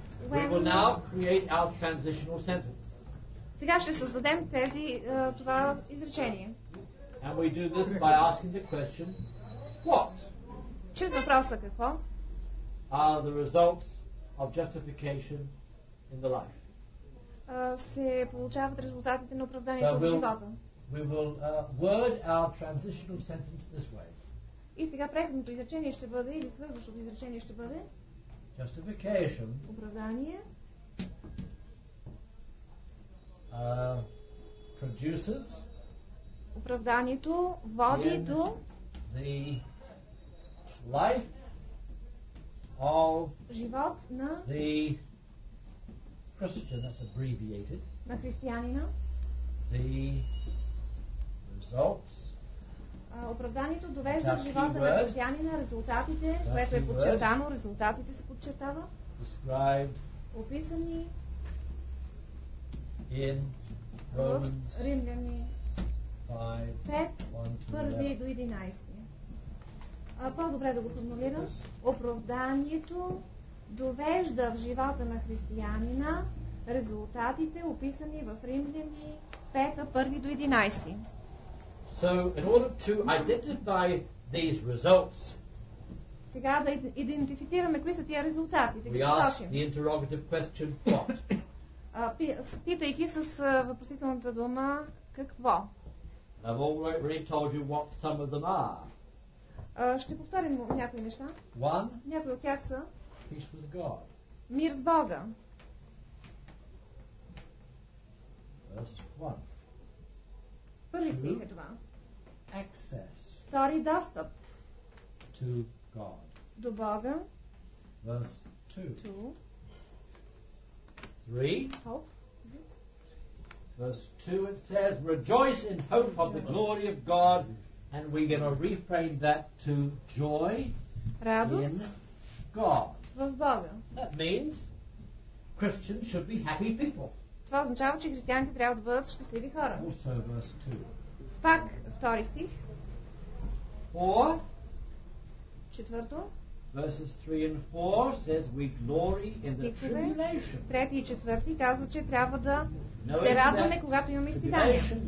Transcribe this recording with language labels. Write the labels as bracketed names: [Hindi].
[English] We will now create our transitional sentence. [Bulgarian] Сега ще създадем тези това изречение. [English] And we do this by asking the question, what? [Bulgarian] Чрез въпроса какво? [English] Are the results of justification in the life. [Bulgarian] се получават резултатите на оправданието в живота. [English] Word our transitional sentence this way. [Bulgarian] И сега преходното изречение ще бъде, или следващото изречение ще бъде [English] justification. [Bulgarian] Оправдание. [English] Produces. [Bulgarian] Оправданието води до [English] the life of [Bulgarian] живот на [English] the Christian, that's abbreviated. [Bulgarian] На християнина. [English] The results. [Bulgarian] Оправданието довежда до живота на християнина, резултатите, което е подчертано, резултатите се подчертава. [English] Described. [Bulgarian] Описани. [English] In Romans. [Bulgarian] Римляни. 5:1-11. По-добре да го формулирам. Оправданието довежда в живота на християнина резултатите, описани в Римляни 5:1-11. [English] So in order to identify these results, [Bulgarian] сега да идентифицираме кои са тия резултати, [English] we ask the interrogative question, what? [Bulgarian] Питайки с въпросителната дума какво. [English] I've already told you what some of them are. [Bulgarian] Ще повторим някои неща. [English] One, [Bulgarian] някои от тях са [English] peace with God. [Bulgarian] Мир с Бога. [English] First one. [Bulgarian] Първи стих е това. [English] Access. [Bulgarian] Втори достъп. [English] To God. [Bulgarian] До Бога. [English] Verse two. Two. Three. Hope. Verse 2, it says, rejoice in hope of the glory of God. And we're going to reframe that to joy [Bulgarian] Радост [English] in God. [Bulgarian] В Бога. [English] That means Christians should be happy people. [Bulgarian] Това означава, че християните трябва да бъдат щастливи хора. [English] Also verse 2. [Bulgarian] Пак втори стих. [English] 4. [Bulgarian] Четвърто. [English] Verses 3 and 4 says we glory in the tribulation. [Bulgarian] Трети и четвърти казва, че трябва да се радваме, когато имаме изпитания.